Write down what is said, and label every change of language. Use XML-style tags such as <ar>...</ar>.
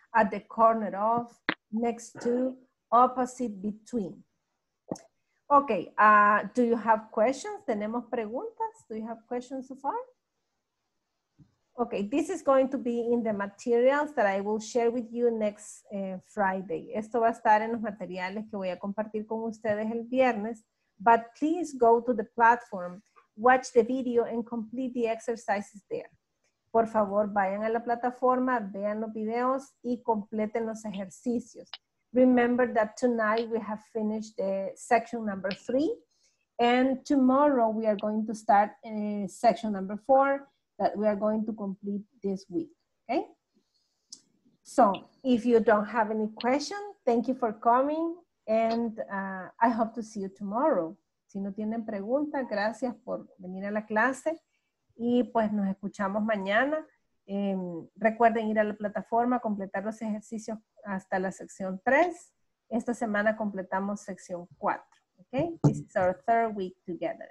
<en>At the corner of, next to, opposite, between. Ok, do you have questions?</en> <es>¿Tenemos preguntas?</es> <en>Do you have questions so far? Ok, this is going to be in the materials that I will share with you next Friday.</en> <es>Esto va a estar en los materiales que voy a compartir con ustedes el viernes.</es> <en>But please go to the platform, watch the video and complete the exercises there.</en> <es>Por favor, vayan a la plataforma, vean los videos y completen los ejercicios.</es> <en>Remember that tonight we have finished section number 3. And tomorrow we are going to start section number 4. That we are going to complete this week, okay? So, if you don't have any question, thank you for coming, and I hope to see you tomorrow.</en> <es>Si no tienen preguntas, gracias por venir a la clase, y pues nos escuchamos mañana. Recuerden ir a la plataforma, completar los ejercicios hasta la sección 3. Esta semana completamos sección 4,</es> <en>okay? This is our third week together.</en>